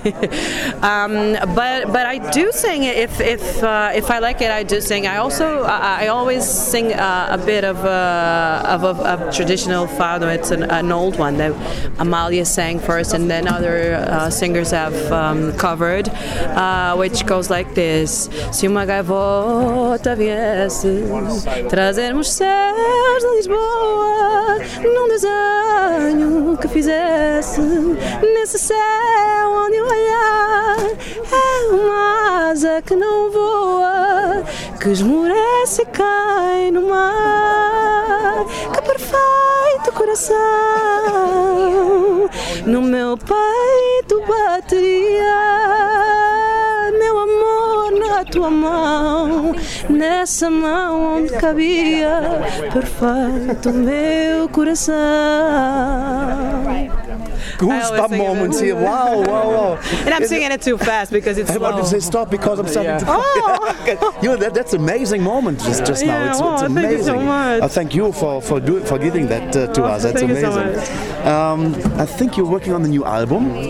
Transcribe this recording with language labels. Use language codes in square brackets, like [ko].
[en] but I do sing it. If I like it, I do sing. I also, I always sing a bit of a traditional Fado. It's an old one that Amália sang first, and then other singers have covered. covered, which goes like this. [pt] Se uma gaivota viesse trazer os céus de Lisboa, num desenho que fizesse nesse céu onde olhar é uma asa que não voa, que esmorece e cai no mar. Que perfeito coração no meu peito bateria, meu amor na tua mão, nessa mão onde cabia perfeito meu coração. [en] Gustaph moments here. Wow, wow, wow. And I'm singing it too fast because it's slow. I wanted to say stop because I'm starting to fall. You know, that's an amazing moment just now. It's amazing. Thank you so much. Thank you for giving that to us. That's thank amazing. You so much. I think you're working on the new album.